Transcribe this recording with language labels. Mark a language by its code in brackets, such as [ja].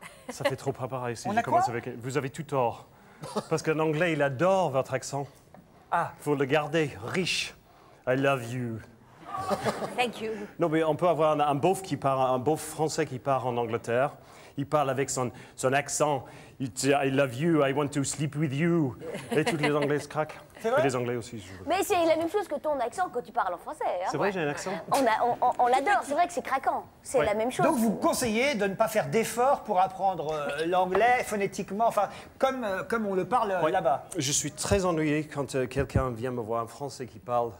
[fr] Ça fait trop préparé si je commence avec... Vous avez tout tort. Parce qu'en anglais, il adore votre accent. Ah. Il faut le garder riche. [en] I love you. Thank you. [fr] Non, mais on peut avoir un beauf français qui part en Angleterre. Il parle avec son accent. [en] I love you, I want to sleep with you. [fr] Et toutes les Anglaises craquent. C'est vrai? Et les Anglais aussi. Je... Mais c'est la même chose que ton accent quand tu parles en français. Hein? C'est vrai, ouais. J'ai un accent. On l'adore, c'est vrai que c'est craquant. C'est ouais. La même chose. Donc vous conseillez de ne pas faire d'efforts pour apprendre l'anglais phonétiquement, enfin, comme on le parle ouais. Là-bas. Je suis très ennuyé quand quelqu'un vient me voir en français qui parle.